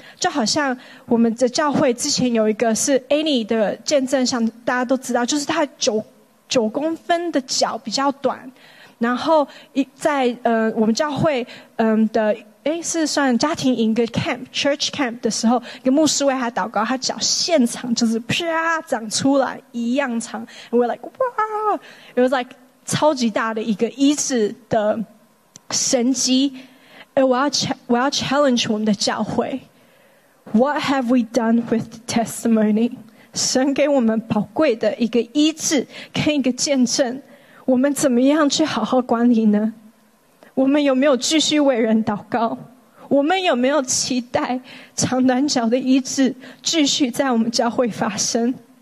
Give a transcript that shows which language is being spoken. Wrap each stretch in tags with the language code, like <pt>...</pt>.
<zh>就好像我们的教会之前有一个是 Annie 的见证，像大家都知道，就是她九公分的脚比较短，然后在我们教会的是算家庭营的 camp church camp 的时候，一个牧师为他祷告，他脚现场就是啪长出来一样长，</zh> <en>and we're like wow， it was like</en> <zh>超级大的一个医治的神迹。我要</zh> <en>challenge</en> <zh>我们的教会，</zh> <en>What have we done with the testimony？</en> <zh>神给我们宝贵的一个医治跟一个见证，我们怎么样去好好管理呢？我们有没有继续为人祷告？我们有没有期待长短脚的医治继续在我们教会发生？</zh>